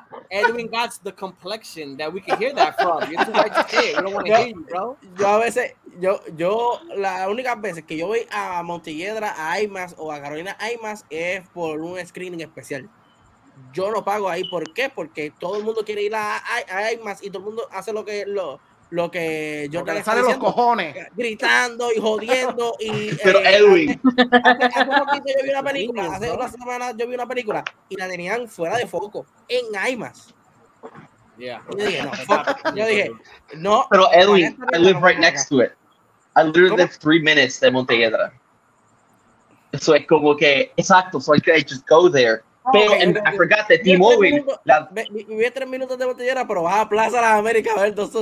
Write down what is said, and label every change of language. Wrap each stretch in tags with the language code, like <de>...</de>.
<en>Edwin got the complexion that we can hear that from. You're too white to say. We don't want to hear you, bro.</en> <es>Yo a veces, yo las únicas veces que yo voy a Montelledra, a IMAX o a Carolina IMAX es por un screening especial. yo no pago ahí. ¿Por qué? Porque todo el mundo quiere ir a IMAX y todo el mundo hace lo que yo le sale diciendo, los cojones gritando y jodiendo y pero Edwin yo vi una película hace una semana, yo vi una película y la tenían fuera de foco en IMAX. Pero</es> <en>Edwin, I live right next to it. I literally live 3 minutes</en> <es>de Montehiedra.</es> <en>So</en> <es>es como que exacto,</es> <en>so I just go there.</en> <es>Pero</es> <en>okay, and okay. I forgot that T-Mobile.</en> <es>Vi 3 minutos de Montehiedra, pero vas a Plaza de las Américas a ver dos</es>